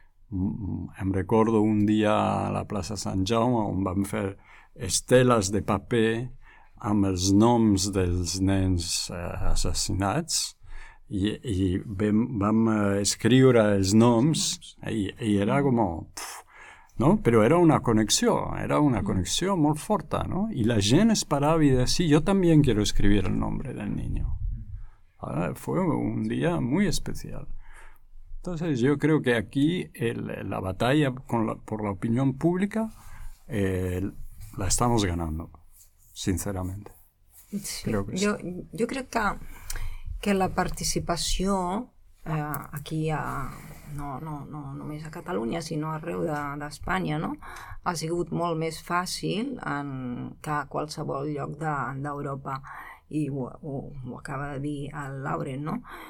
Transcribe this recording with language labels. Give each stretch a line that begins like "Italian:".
Catalan: Em recordo un dia a la plaça Sant Jaume on vam fer esteles de paper amb els noms dels nens assassinats i vam escriure els noms i era com... No? Però era una connexió molt forta, no? I la gent es parava i deia, sí, jo també
Spanish: quiero escribir el nombre del niño. Fue un dia muy especial. Entonces yo creo que aquí la batalla por la opinión pública la estamos ganando.
Catalan: Sincerament. Sí, jo crec que la participació aquí no només a Catalunya, sinó arreu d'Espanya, no? Ha sigut molt més fàcil que a qualsevol lloc d'Europa, i ho acaba de dir el Lauren, no?